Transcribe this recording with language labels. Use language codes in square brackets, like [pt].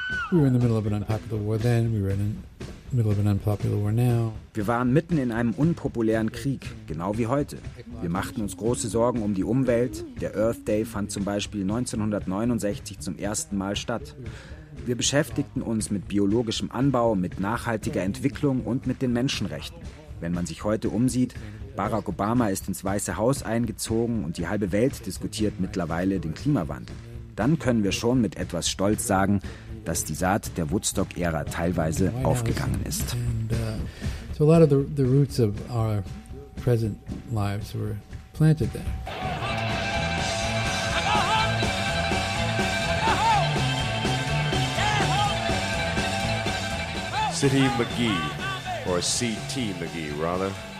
[en] We were in the middle of an unpopular war then. We were in the middle of an unpopular war now. [de] Wir waren mitten in einem unpopulären Krieg, genau wie heute. Wir machten uns große Sorgen um die Umwelt. Der Earth Day fand zum Beispiel 1969 zum ersten Mal statt. Wir beschäftigten uns mit biologischem Anbau, mit nachhaltiger Entwicklung und mit den Menschenrechten. Wenn man sich heute umsieht, Barack Obama ist ins Weiße Haus eingezogen und die halbe Welt diskutiert mittlerweile den Klimawandel. Dann können wir schon mit etwas Stolz sagen, dass die Saat der Woodstock-Ära teilweise aufgegangen ist. [en] So a lot of the roots of our present lives were planted there. City McGee, or C.T. McGee, rather.